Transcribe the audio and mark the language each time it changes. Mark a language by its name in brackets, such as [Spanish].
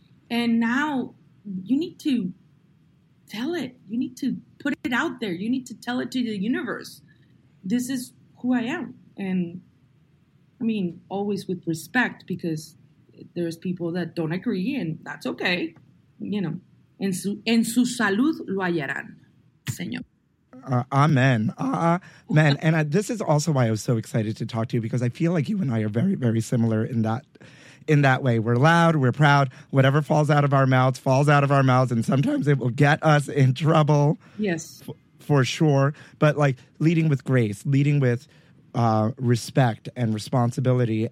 [English] And now you need to tell it. You need to put it out there. You need to tell it to the universe. This is who I am. And I mean, always with respect, because there's people that don't agree, and that's okay. You know, [Spanish] en su salud lo hallarán, señor. [English] Amen. Amen. And this is also why I was so excited to talk to you, because I feel like you and I are very, very similar in that way. We're loud, we're proud. Whatever falls out of our mouths falls out of our mouths, and sometimes it will get us in trouble. Yes. For sure. But like leading with grace, leading with respect and responsibility.